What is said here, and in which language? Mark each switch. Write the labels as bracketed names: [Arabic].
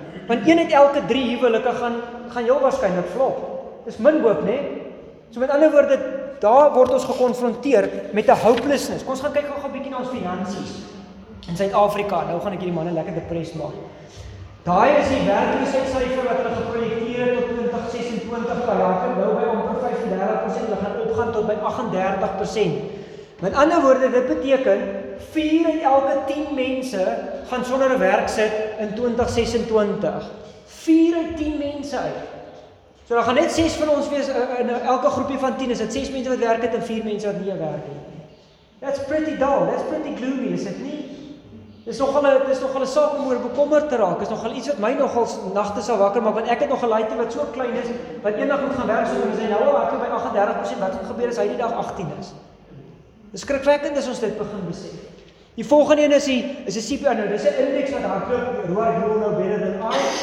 [Afrikaans] Want een uit elke 3 huwelike gaan heel waarskynlik flop. Dis min hoop, né? So met ander woorde, daar word ons gekonfronteer met 'n hopelessness. Kom ons gaan kyk gou 'n bietjie na ons finansies. In Suid-Afrika, nou gaan ek hierdie manne lekker depress maak. Daai is die werkloosheidsyfer wat hulle geprojekteer tot 2026 per jaar. Nou by omtrent 35%, hulle gaan opgaan tot by 38%. Met ander woorde, dit beteken 4 uit elke 10 mense gaan sonder 'n werk sit in 2026. 4 uit 10 mense uit. So daar gaan net 6 van ons wees in elke groepie van 10, is dit 6 mense wat werk het en 4 mense wat nie werk het. [English] That's pretty dull, that's pretty gloomy, [Afrikaans] is dit nie? Dit is nogal 'n saak om oor bekommerd te raak. Is nogal iets wat my nogal nagte sal wakker maak, want ek het nog 'n laaitjie wat so klein is wat eendag moet gaan werk sonder sy nou al hardloop by 38%, wat gaan gebeur as hy die dag 18 is? Dis skrikwekkend as ons dit begin besef. Die volgende een is die CPI, nou dis 'n indeks wat hardloop roer hier nou beter dan al.